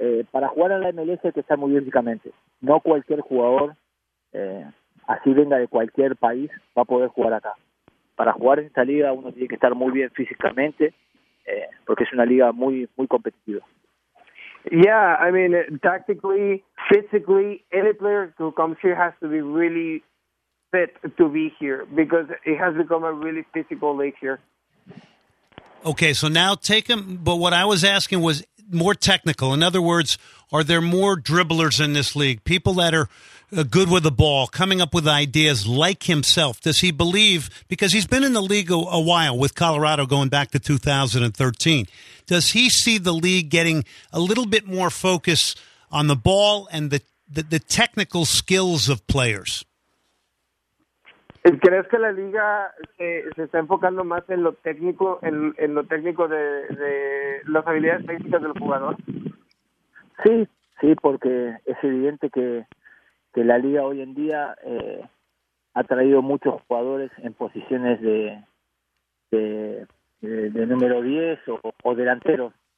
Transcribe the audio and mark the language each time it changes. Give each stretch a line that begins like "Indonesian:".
Spanish: Para jugar en la MLS hay que estar muy bien físicamente. No cualquier jugador, así venga de cualquier país, va a poder jugar acá. Para jugar en esta liga uno tiene que estar muy bien físicamente, porque es una liga muy muy competitiva.
English: Yeah, I mean, tactically, physically, any player who comes here has to be really fit to be here because it has become a really physical league here. Okay, so now take him. But what I was asking was more technical. In other words, are there more dribblers in this league? People that are good with the ball, coming up with ideas like himself. Does he believe, because he's been in the league a while with Colorado going back to 2013, does he see the league getting a little bit more focus on the ball and the technical skills of players?
Spanish: ¿Crees que la liga se está enfocando más en lo técnico, en lo técnico de las habilidades técnicas del jugador? Sí, sí, porque es evidente que la liga hoy en día ha traído muchos jugadores en posiciones de número 10 o delanteros.